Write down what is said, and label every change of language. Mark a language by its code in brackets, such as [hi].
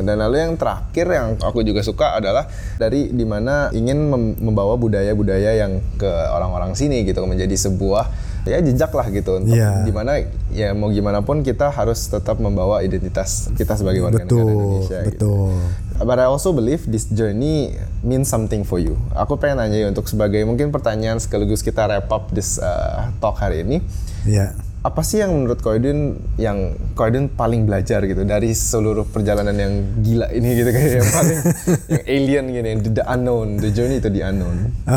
[id] Dan lalu yang terakhir yang aku juga suka adalah dari dimana ingin membawa budaya-budaya yang ke orang-orang sini gitu, menjadi sebuah ya jejak lah gitu untuk dimana ya mau gimana pun kita harus tetap membawa identitas kita sebagai warga negara Indonesia. Betul. [en] Gitu. But I also believe this journey means something for you. [id] Aku pengen nanya untuk sebagai mungkin pertanyaan sekaligus kita [en] wrap up this talk [id] hari ini. Iya. Apa sih yang menurut Ko Edwin yang Ko Edwin paling belajar gitu dari seluruh perjalanan yang gila ini gitu kayak yang paling yang alien gini, [en] the unknown, the journey to the unknown.